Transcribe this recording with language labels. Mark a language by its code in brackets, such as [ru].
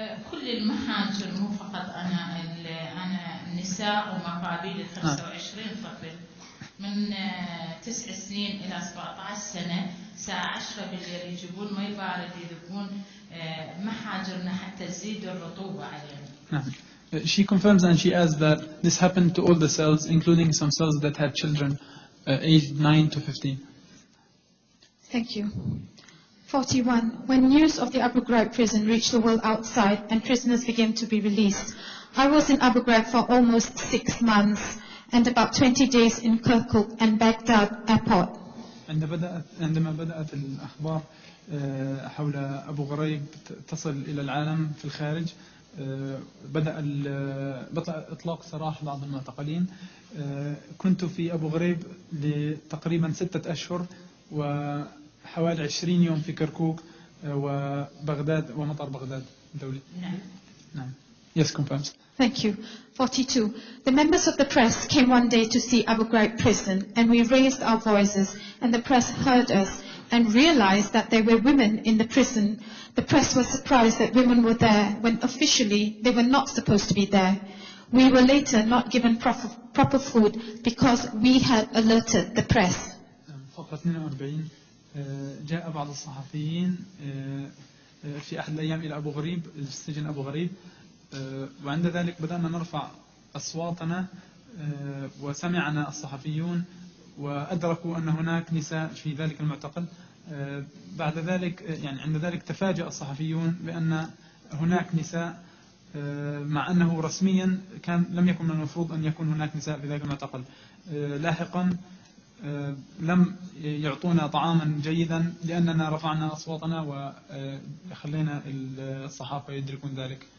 [ar] كل المحاجر مو فقط أنا نساء ومقابيل 25 طفل من 9 سنين إلى 17 سنة ساعة 10 بالليل يجيبون مي بارد يذبون محاجرنا حتى تزيد الرطوبة علينا. [en] She confirms and she adds that this happened to all the cells, including some cells that had children aged 9 to 15. Thank you. 41. When news of the Abu Ghraib prison reached the world outside and prisoners began to be released, I was in Abu Ghraib for almost 6 months and about 20 days in Kirkuk and Baghdad airport. [ar] عندما بدأت الأخبار حول أبو غريب تصل إلى العالم في الخارج بدأ إطلاق سراح بعض المعتقلين كنت في أبو غريب لتقريبا 6 أشهر وحوالي 20 يوم في كركوك وبغداد ومطار بغداد الدولي نعم [en] Yes, confirms. Thank you. 42. The members of the press came one day to see Abu Ghraib prison and we raised our voices and the press heard us and realized that there were women in the prison. The press was surprised that women were there when officially they were not supposed to be there. We were later not given proper food because we had alerted the press. [ar] فقط 42 جاء بعض الصحفيين في أحد الأيام إلى أبو غريب السجن أبو غريب وعند ذلك بدأنا نرفع أصواتنا وسمعنا الصحفيون وأدركوا أن هناك نساء في ذلك المعتقل بعد ذلك يعني عند ذلك تفاجأ الصحفيون بأن هناك نساء مع أنه رسميا كان لم يكن من المفروض أن يكون هناك نساء في ذلك المعتقل لاحقا لم يعطونا طعاما جيدا لأننا رفعنا أصواتنا وخلينا الصحافة يدركون ذلك